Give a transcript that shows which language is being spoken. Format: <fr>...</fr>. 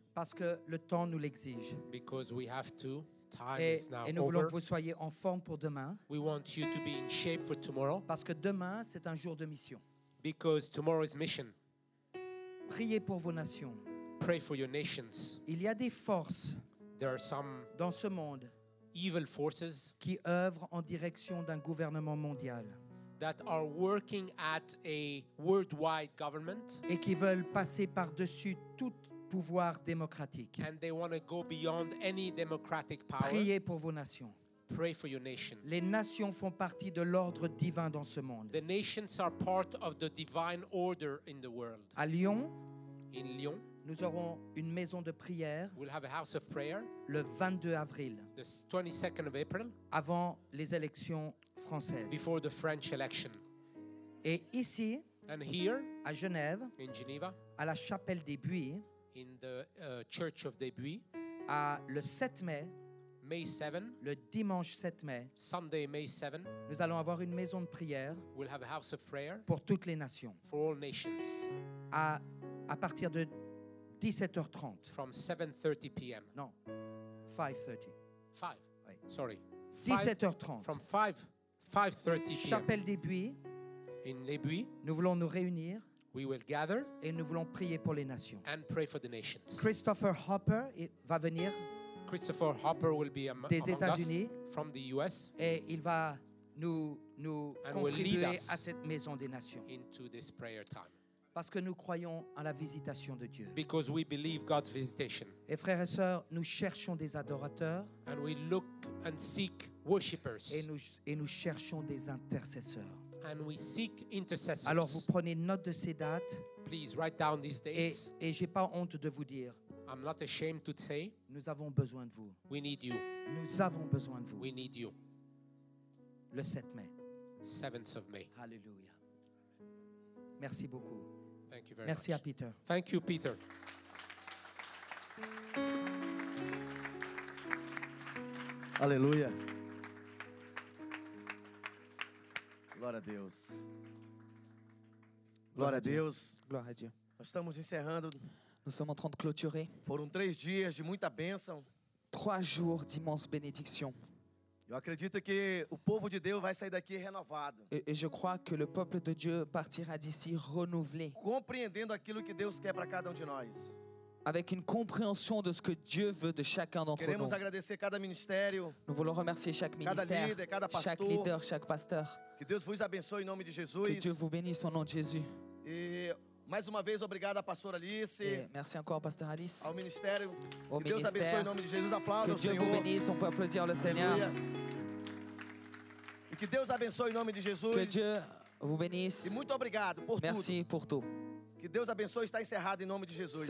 <fr>Parce que le temps nous l'exige.</fr> <en>Because we have to. Time</en> <fr>et,</fr> <en>is now</en> <fr>et nous voulons</fr> <en>over.</en> <fr>Que vous soyez en forme pour demain.</fr> <en>We want you to be in shape for tomorrow.</en> <fr>Parce que demain, c'est un jour de mission.</fr> <en>Because tomorrow is mission.</en> <fr>Priez pour vos nations.</fr> <en>Pray for your nations.</en> <fr>Il y a des forces</fr> <en>There are some</en> <fr>dans ce monde</fr> <en>evil forces</en> <fr>qui œuvrent en direction d'un gouvernement mondial</fr> <en>that are working at a worldwide government</en> <fr>et qui veulent passer par-dessus tout pouvoir démocratique</fr> <en>and they want to go beyond any democratic power.</en> <fr>Priez pour vos nations.</fr> <en>Pray for your nation.</en> <fr>Les nations font partie de l'ordre divin dans ce monde.</fr> <en>The nations are part of the divine order in the world.</en> <fr>À Lyon,</fr> <en>in Lyon,</en> <fr>nous aurons une maison de prière</fr> <en>we'll have a house of prayer</en> <fr>le 22 avril,</fr> <en>the 22nd of April,</en> <fr>avant les élections françaises.</fr> <en>Before the French election.</en> <fr>Et ici,</fr> <en>and here,</en> <fr>à Genève,</fr> <en>in Geneva,</en> <fr>à la chapelle des Buis,</fr> <en>in the, Church of des Buis,</en> <fr>à le 7 mai,</fr> <en>May 7,</en> <fr>le dimanche 7 mai,</fr> <en>Sunday, May 7,</en> <fr>nous allons avoir une maison de prière</fr> <en>we'll have a house of prayer</en> <fr>pour toutes les nations.</fr> <en>For all nations.</en> <fr>À partir de 17h30.</fr> <en>From 7:30 p.m.</en> <fr>Non, 5:30.</fr> <en>5. Oui. Sorry.</en> <fr>17h30.</fr> <en>From 5:30 p.m.</en> <fr>Chapelle des Buis.</fr> <en>In Les Buis.</en> <fr>Nous voulons nous réunir.</fr> <en>We will gather.</en> <fr>Et nous voulons prier pour les nations.</fr> <en>And pray for the nations.</en> <fr>Christopher Hopper va venir.</fr> <en>Christopher Hopper will be among us.</en> <fr>Des États-Unis.</fr> <en>From the U.S.</en> <fr>Et il va nous contribuer à cette maison des nations.</fr> <en>Into this prayer time.</en> <fr>Parce que nous croyons en la visitation de Dieu.</fr> <en>Because we believe God's visitation.</en> <fr>Et frères et sœurs, nous cherchons des adorateurs.</fr> <en>And we look and seek worshipers.</en> <fr>Et nous cherchons des intercesseurs.</fr> <en>And we seek intercessors.</en> <fr>Alors vous prenez note de ces dates.</fr> <en>Please write down these dates.</en> <fr>Et j'ai pas honte de vous dire.</fr> <en>I'm not ashamed to say.</en> <fr>Nous avons besoin de vous.</fr> <en>We need you.</en> <fr>Nous avons besoin de vous.</fr> <en>We need you.</en> <fr>Le 7 mai.</fr> <en>7th of May.</en> <fr>Hallelujah. Merci beaucoup.</fr> <en>Thank you very</en> <fr>Merci</fr> <en>much.</en> <fr>À Peter.</fr> <en>Thank you, Peter.</en> <fr>Alléluia.</fr> <pt>Glória a Deus. Glória a Deus. Glória a Deus. Nós estamos encerrando.</pt> <fr>Nous sommes en train de clôturer.</fr> <pt>Foram três dias de muita bênção.</pt> <fr>Trois jours d'immense bénédiction.</fr> <pt>Eu acredito que o povo de Deus vai sair daqui renovado.</pt> <fr>Et je crois que le peuple de Dieu partira d'ici renouvelé.</fr> <pt>Compreendendo aquilo que Deus quer para cada de nós.</pt> <fr>Avec une compréhension de ce que Dieu veut de chacun d'entre</fr> <pt>Queremos</pt> <fr>nous.</fr> <pt>Agradecer cada ministério.</pt> <fr>Nous voulons remercier chaque</fr> <pt>cada</pt> <fr>ministère,</fr> <pt>líder, cada pastor,</pt> <fr>chaque leader, chaque pasteur.</fr> <pt>Que Deus vos abençoe em nome de Jesus.</pt> <fr>Que Dieu vous bénisse au nom de Jésus.</fr> <pt>E mais uma vez obrigado à pastora Alice.</pt> <fr>Et merci encore pasteur Alice.</fr> <pt>Ao ministério.</pt> <fr>Au</fr> <pt>que</pt> <fr>ministère.</fr> <pt>Deus abençoe em nome de Jesus. Aplaudam</pt> <fr>Que Dieu vous bénisse, on peut applaudir le Seigneur.</fr> <pt>E que Deus abençoe em nome de Jesus.</pt> <fr>Que Dieu vous bénisse.</fr> <pt>E muito obrigado por</pt> <fr>Merci</fr> <pt>tudo.</pt> <fr>Merci pour tout.</fr> <pt>Que Deus abençoe está encerrado em nome de Jesus.</pt>